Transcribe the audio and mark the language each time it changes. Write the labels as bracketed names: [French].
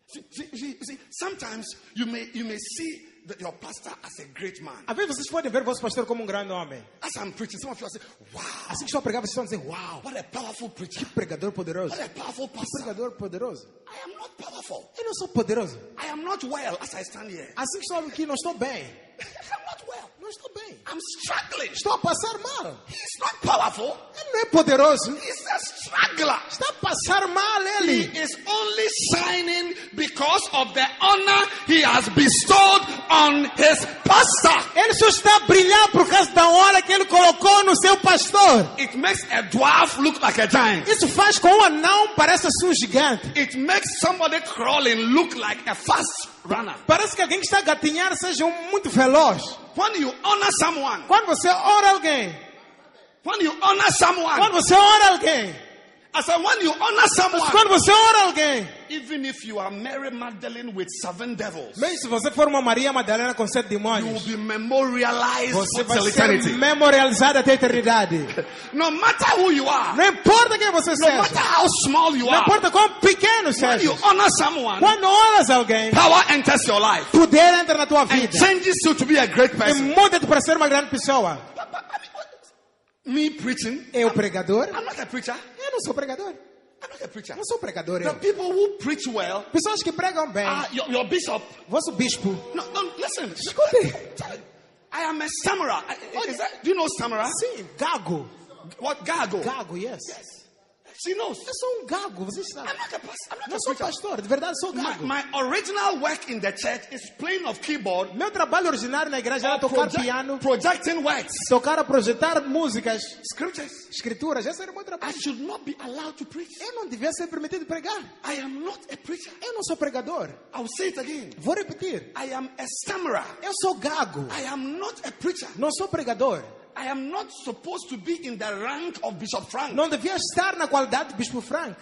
[English] See, sometimes you may see that your pastor as a great man. [Portuguese] Às vezes vocês podem ver vosso pastor como grande homem. [English] As I'm preaching, some of you are saying, wow. [Portuguese] Assim que estou a pregar, vocês estão dizendo, wow. [English] What a powerful preacher. [Portuguese] Que pregador poderoso. [English] What a powerful pastor. [Portuguese] Que pregador poderoso. [English] I am not powerful. [Portuguese] Eu não sou poderoso. [English] I am not well as I stand here. [Portuguese] Assim que estou aqui, não estou bem. [English] I'm not well. [Portuguese] Não estou bem. [English] I'm struggling. [Portuguese] Estou a passar mal. [English] He's not powerful. [Portuguese] Ele não é poderoso. [English] He's a struggler. [Portuguese] Está a passar mal ele. [English] He is only shining because of the honor he has bestowed on his pastor. [Portuguese] Ele só está a brilhar por causa da honra que ele colocou no seu pastor. [English] It makes a dwarf look like a giant. [Portuguese] Isso faz com um anão parece um gigante. [English] It makes somebody crawling look like a fast runner. [Portuguese] Parece que alguém que está a gatinhar seja muito veloz. [English] When you honor someone, [Portuguese] quando você honra alguém, [English] when you honor someone, [Portuguese] quando você honra alguém, [English] I said, when you honor someone, [Portuguese] quando você honra alguém, [English] even if you are Mary Magdalene with seven devils, [Portuguese] mesmo se você for uma Maria Madalena com sete demônios, [English] you will be memorialized for eternity. [Portuguese] Você vai ser memorializado até a eternidade. [English] No matter who you are, [Portuguese] não importa quem você seja, [English] no matter how small you are, [Portuguese] não importa quão pequeno seja, [English] when you honor someone, [Portuguese] quando honras alguém, [English] power enters your life, [Portuguese] poder entra na tua vida, [English] and changes you to be a great person, [Portuguese] e muda-te para ser uma grande pessoa. [English] Me preaching, [Portuguese] eu pregador, [English] I'm not a preacher. [Portuguese] Eu não sou pregador. [English] I'm not a preacher. [Portuguese] Não sou pregador. [English] The people who preach well, [Portuguese] pessoas que pregam bem, [English] your bishop, [Portuguese] vosso bispo. [English] No, listen. [Portuguese] Escute. [English] I am a Samara. Do you know Samara? [Portuguese] Sim, gago. [English] What, gago? [Portuguese] Gago, yes. [English] Yes. She knows. [Portuguese] Eu sou gago, você sabe. [English] I'm not a pastor. [Portuguese] Não sou pastor, de verdade sou gago. [English] My original work in the church is playing of keyboard. [Portuguese] Meu trabalho originário na igreja era tocar piano. [English] Projecting words. [Portuguese] Tocar, projetar músicas. [English] Scriptures. [Portuguese] Escrituras, esse era o meu trabalho. [English] I should not be allowed to preach. [Portuguese] Eu não devia ser permitido pregar. [English] I am not a preacher. [Portuguese] Eu não sou pregador. [English] I'll say it again. [Portuguese] Vou repetir. [English] I am a stammerer. [Portuguese] Eu sou gago. [English] I am not a preacher. [Portuguese] Não sou pregador. [English] I am not supposed to be in the rank of Bishop Frank. [Portuguese] Não devia estar na qualidade de Bispo Frank.